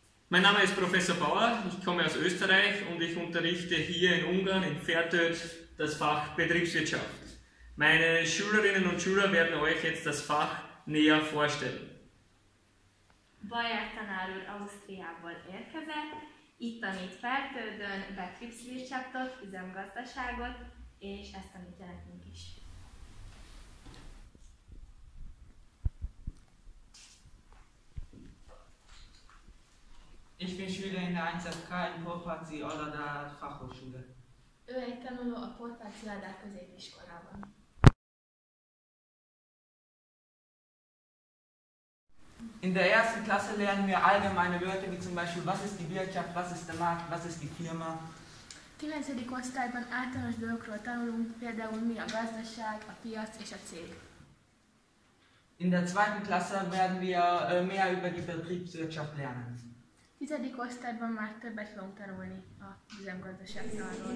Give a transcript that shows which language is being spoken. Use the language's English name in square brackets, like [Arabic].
[German] Mein Name ist Professor Bauer, ich komme aus Österreich und ich unterrichte hier in Ungarn, in Fertőt, das Fach Betriebswirtschaft. Meine Schülerinnen und Schüler werden euch jetzt das Fach näher vorstellen. [Hungarian] Bauer Tanár úr Ausztriából érkezett, itt tanít Fertődön Betriebswirtschaftot, üzemgazdaságot, és ezt tanítja nekünk is. [German] Ich bin Schüler in der 1SK in Porpáci Aladár Fachhochschule. [Hungarian] Ő egy tanuló a Porpáci Aladár középiskolában. [German] In der ersten Klasse lernen wir allgemeine Wörter, wie zum Beispiel, was ist die Wirtschaft, was ist der Markt, was ist die Firma. 9. [Hungarian] osztályban általános dolgokról tanulunk, például mi a gazdaság, a piac és a cég. [German] In der zweiten Klasse werden wir mehr über die Betriebswirtschaft lernen. 10. [Hungarian] osztályban már többet fogunk tanulni a üzemgazdaságról.